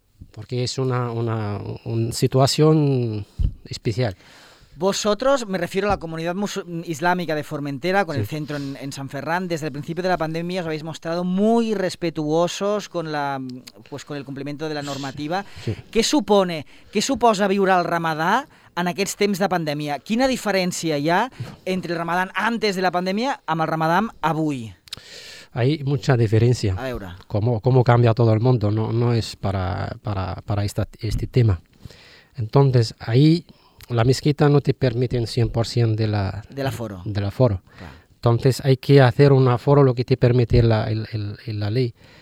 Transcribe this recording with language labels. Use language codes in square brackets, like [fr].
[es] Porque es una situación especial. Vosotros, me refiero a la comunidad islámica de Formentera, con sí. El centro en San Ferrán, desde el principio de la pandemia os habéis mostrado muy respetuosos con la, pues con el cumplimiento de la normativa. Sí. ¿Qué supone, [ca] qué suposa viure el Ramadà en aquests temps de pandèmia? Quina diferència hi ha entre el Ramadà antes de la pandèmia amb el Ramadà avui? [es] Hay mucha diferencia. [ca] A veure. [es] Cómo cambia todo el mundo, no es para este tema. Entonces, ahí la mezquita no te permite 100% del aforo. Del aforo. Entonces hay que hacer un aforo lo que te permite la ley.